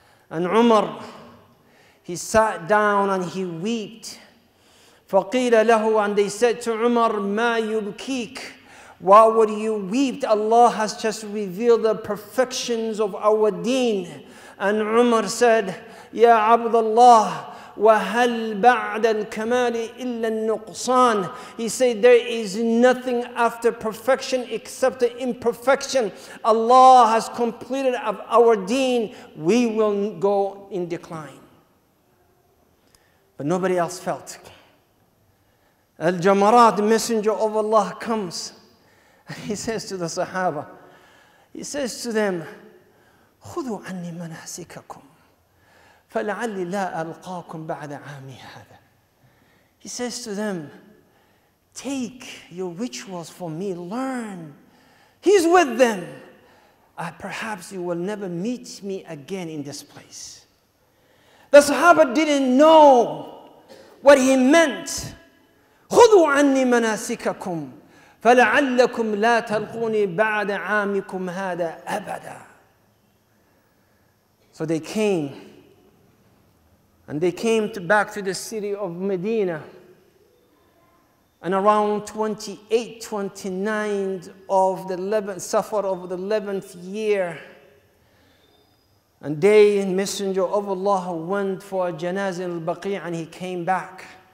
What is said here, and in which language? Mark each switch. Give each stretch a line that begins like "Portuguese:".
English: And Umar, he sat down and he wept.
Arabic: فقيل له,
English: and they said to Umar,
Arabic: ما يبكيك,
English: why would you weep? Allah has just revealed the perfections of our deen. And Umar said,
Arabic: يا عبد الله وهل بعد الكمال إلا النقصان.
English: He said, there is nothing after perfection except the imperfection. Allah has completed our deen. We will go in decline. But nobody else felt. Al-Jamarat, the messenger of Allah, comes. He says to the Sahaba, he says to them,
Arabic: خذوا عني مناسككم فلعلي لا ألقاكم بعد عامي هذا.
English: He says to them, take your rituals for me, learn. He's with them. Perhaps you will never meet me again in this place. The Sahaba didn't know what he meant.
Arabic: خذوا عني مناسككم فلعلكم لا تلقوني بعد عامكم هذا أبدا.
English: So they came, and they came to back to the city of Medina. And around 28, 29 of the 11th year, and they, messenger of Allah, went for a janazah in al-Baqi' and he came back.